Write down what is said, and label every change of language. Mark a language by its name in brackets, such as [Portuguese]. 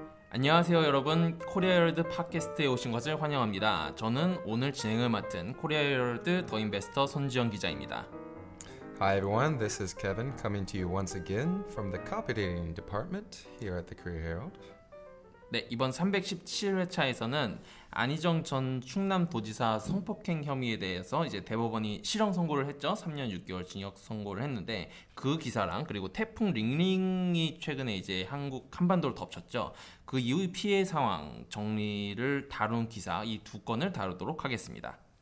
[Korean] 안녕하세요 여러분, 코리아월드 팟캐스트에 오신 것을 환영합니다. 저는 오늘 진행을 맡은 코리아월드 더 인베스터 손지영 기자입니다. [English] Hi everyone, this is Kevin coming to you once again from the copy editing department here at the Korea Herald. [Korean] 네, 이번 317회차에서는 안희정 전 충남도지사 성폭행 혐의에 대해서 이제 대법원이 실형 선고를 했죠. 3년 6개월 징역 선고를 했는데 그 기사랑 그리고 태풍 링링이 최근에 이제 한국 한반도를 덮쳤죠. 그 이후 피해 상황 정리를 다룬 기사 이 두 건을 다루도록 하겠습니다.